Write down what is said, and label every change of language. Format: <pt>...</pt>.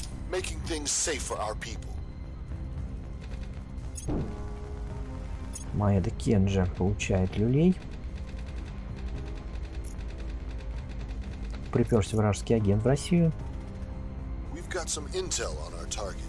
<en>Making things safe for our people.</en> <ru>Маэда Кенджи получает люлей. Приперся вражеский агент в Россию.</ru> <en>We've got some intel on our target.</en>